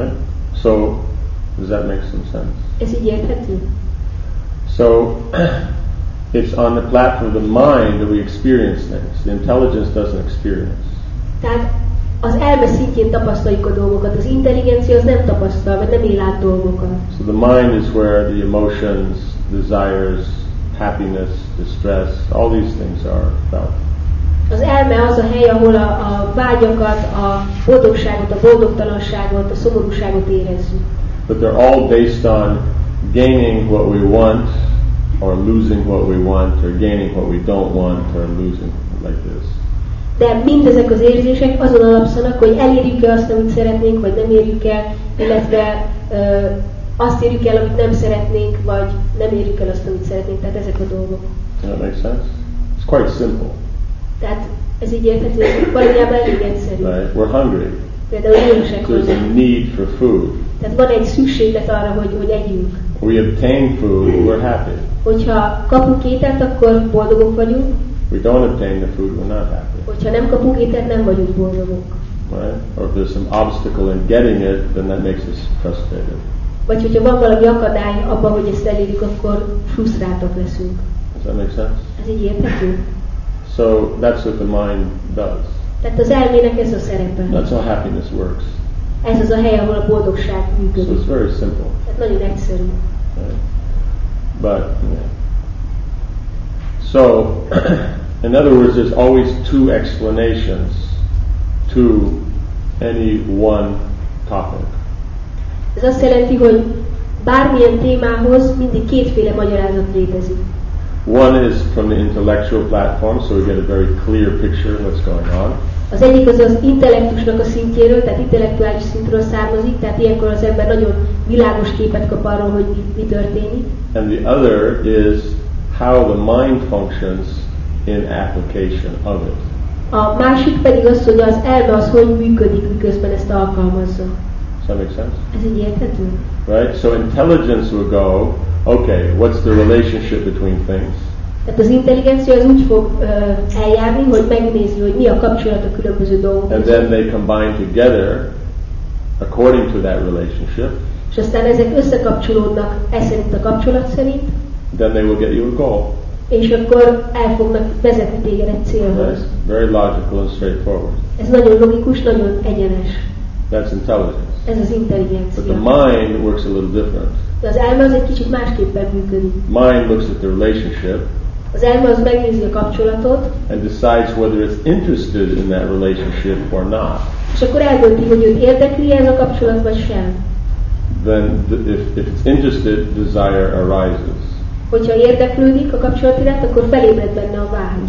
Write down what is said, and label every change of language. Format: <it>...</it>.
<en>Right? So, does that make some sense?</en> <hu>Ez így érthető?</hu> <en>So, it's on the platform of the mind that we experience things. The intelligence doesn't experience.</en> <hu>Tehát az elme szintjén tapasztaljuk a dolgokat, az intelligencia az nem tapasztal, vagy nem él át dolgokat.</hu> <en>So the mind is where the emotions, desires, happiness, distress, all these things are felt.</en> <hu>Az elme az a hely, ahol a vágyakat, a boldogságot, a boldogtalanságot, a szomorúságot érezzük.</hu> <en>But they're all based on gaining what we want, or losing what we want, or gaining what we don't want, or losing like this.</en> <hu>De mindezek az érzések azon alapszanak, hogy elérjük-e azt, amit szeretnénk, vagy nem érjük el, illetve azt érjük el, amit nem szeretnénk, vagy nem érjük el azt, amit szeretnénk. Tehát ezek a dolgok.</hu> <en>Does that make sense? It's quite simple.</en> <hu>Tehát ez így érthető, hogy valójában elég egyszerű.</hu> <en>Right. We're hungry.</en> <hu>Például éhesek vagyunk.</hu> <en>There's a need for food.</en> <hu>Tehát van egy szükséglet arra, hogy együnk.</hu> <en>We obtain food, we're happy.</en> <hu>Hogyha kapunk ételt, akkor boldogok vagyunk.</hu> <en>We don't obtain the food, we're not happy.</en> <hu>Hogyha nem kapunk ételt, nem vagyunk boldogok.</hu> <en>Right? Or if there's some obstacle in getting it, then that makes us frustrated.</en> <hu>Vagy hogyha van valami akadály abban, hogy ezt elérjük, akkor frusztráltak leszünk.</hu> <en>Does that make sense?</en> <hu>Ez így érthető?</hu> <en>So that's what the mind does.</en> <hu>Tehát az elmének ez a szerepe.</hu> <en>That's how happiness works.</en> <hu>Ez az a hely, ahol a boldogság működik.</hu> <en>So it's very simple.</en> <hu>Tehát nagyon egyszerű.</hu> <en>Right. But, yeah. So, in other words, there's always two explanations to any one topic.</en> <hu>Ez azt jelenti, hogy bármilyen témához mindig kétféle magyarázat létezik.</hu> <en>One is from the intellectual platform, so we get a very clear picture of what's going on.</en> <hu>Az egyik az az intellektusnak a szintjéről, tehát intellektuális szintről származik, tehát ilyenkor az ember nagyon világos képet kap arról, hogy mi történik.</hu> <en>And the other is how the mind functions in application of it.</en> <hu>A másik pedig az, hogy az elme az, hogy működik, miközben ezt alkalmazza.</hu> <en>Does that make sense?</en> <hu>Ez így érthető?</hu> <en>Right, so intelligence will go, okay, what's the relationship between things?</en> <hu>Tehát az intelligencia az úgy fog eljárni, hogy megnézi, hogy mi a kapcsolat a különböző dolgok.</hu> <en>And then they combine together according to that relationship.</en> <hu>És aztán ezek összekapcsolódnak eszerint a kapcsolat szerint.</hu> <en>Then they will get you a goal.</en> <hu>És akkor el fognak vezetni téged egy célhoz.</hu> <en>Very logical and straightforward.</en> <hu>Ez nagyon logikus, nagyon egyenes.</hu> <en>That's intelligence.</en> <hu>Ez az intelligencia.</hu> <en>But the mind works a little different.</en> <hu>De az elme az egy kicsit másképpen működik.</hu> <en>Mind looks at the relationship.</en> <hu>Az elme az megnézi a kapcsolatot.</hu> <en>And decides whether it's interested in that relationship or not.</en> <hu>És akkor eldönti, hogy őt érdekli ez a kapcsolat vagy sem.</hu> <en>Then if it's interested, desire arises.</en> <hu>Hogyha érdeklődik a kapcsolat iránt, akkor felébred benne a vágy.</hu>